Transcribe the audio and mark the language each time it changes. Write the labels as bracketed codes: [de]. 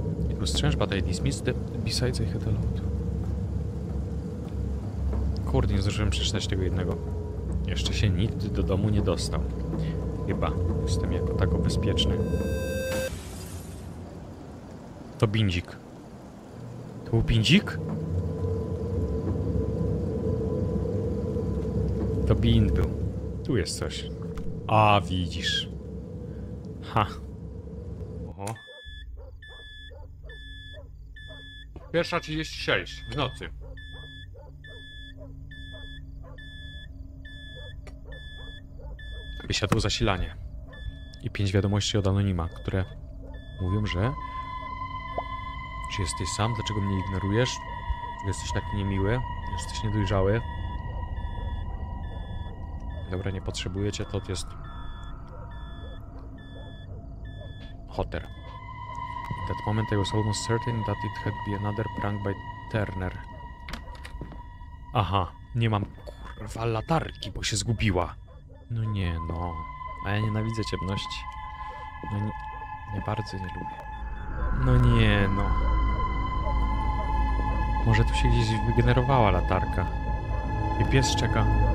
[en] It was strange, but I dismissed besides I had a lot. [pl] Kurde, nie zdążyłem przeczytać tego jednego. Jeszcze się nigdy do domu nie dostał. Chyba jestem jako tako bezpieczny. To Bindzik. To był Bindzik? To Bind był. Tu jest coś. A, widzisz. Ha. Oho. Pierwsza 36 w nocy. Wysiadło zasilanie i 5 wiadomości od anonima, które mówią, że czy jesteś sam, dlaczego mnie ignorujesz, jesteś taki niemiły, jesteś niedojrzały, dobra, nie potrzebuję cię, to jest hotter. [en] At that moment I was almost certain that it had been another prank by Turner. [pl] Aha, nie mam kurwa latarki, bo się zgubiła. No nie no, a ja nienawidzę ciemności. No nie, nie bardzo nie lubię. No nie no. Może tu się gdzieś wygenerowała latarka. I pies czeka.